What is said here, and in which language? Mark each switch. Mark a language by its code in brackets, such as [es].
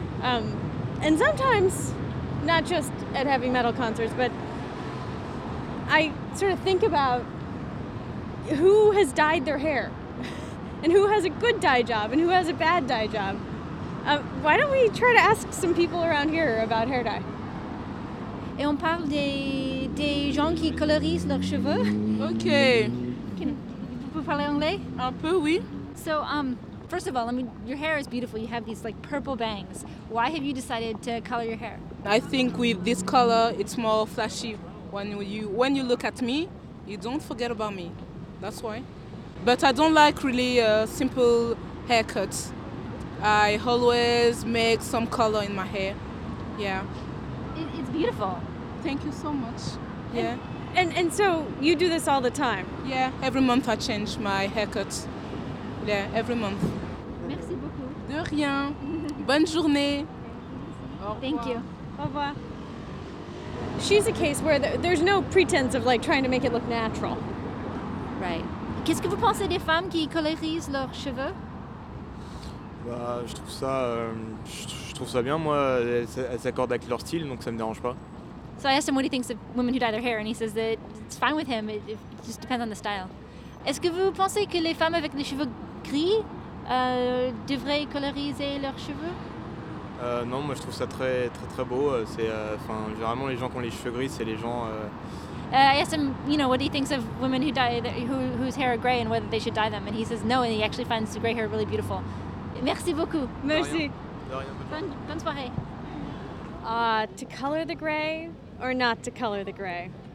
[en] And sometimes, not just at heavy metal concerts, but I sort of think about who has dyed their hair and who has a good dye job and who has a bad dye job. Why don't we try to ask some people around here about hair dye? [fr] Et on parle des gens qui colorisent leurs cheveux. [en] Okay. [fr] Vous pouvez parler anglais? Un peu, oui. [en] So, first of all, I mean, your hair is beautiful. You have these, like, purple bangs. Why have you decided to color your hair? I think with this color, it's more flashy. When you look at me, you don't forget about me. That's why. But I don't like really simple haircuts. I always make some color in my hair. Yeah. It's beautiful. Thank you so much. Yeah. And so you do this all the time? Yeah, every month I change my haircut. Yeah, every month. [fr] Merci beaucoup. De rien. Bonne journée. [en] Thank you. [fr] Au revoir. [en] She's a case where there's no pretense of, like, trying to make it look natural. Right. [fr] Qu'est-ce que vous pensez des femmes qui colorisent leurs cheveux? Bah, je trouve ça bien, moi. Elles s'accordent avec leur style, donc ça me dérange pas. [en] So I asked him what he thinks of women who dye their hair, and he says that it's fine with him. It just depends on the style. [fr] Est-ce que vous pensez que les femmes avec les cheveux gris devraient coloriser leurs cheveux? Non, moi je trouve ça très très très beau. C'est enfin généralement les gens qui ont les cheveux gris, c'est les gens. [en] I asked him, you know, what he thinks of women who dye whose hair are gray and whether they should dye them, and he says no, and he actually finds the gray hair really beautiful. [fr] Merci beaucoup. Merci. De rien. Bonne soirée. [en] To color the gray or not to color the gray?